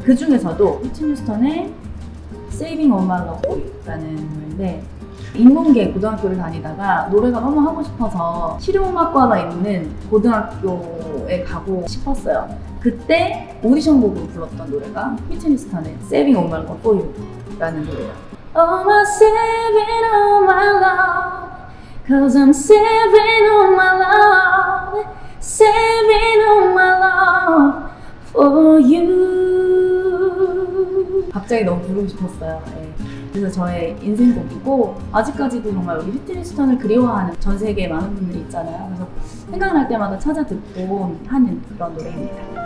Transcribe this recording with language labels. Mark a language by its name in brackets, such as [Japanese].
[Korean] 그 중에서도 휘트니 휴스턴의 Saving All My Love For You 라는 노래인데, 인문계 고등학교를 다니다가 노래가 너무 하고 싶어서 실용음악과가 있는 고등학교에 가고 싶었어요. 그때 오디션 곡으로 불렀던 노래가 휘트니 휴스턴의 Saving All My Love For You라는 노래예요. [English] Oh, I'm saving all my love, cause I'm saving all my love, saving all my love for you. [Korean] 갑자기 너무 부르고 싶었어요. 네. 그래서 저의 인생곡이고 아직까지도 정말 우리 휘트니 휴스턴을 그리워하는 전 세계에 많은 분들이 있잖아요. 그래서 생각날 때마다 찾아 듣고 하는 그런 노래입니다.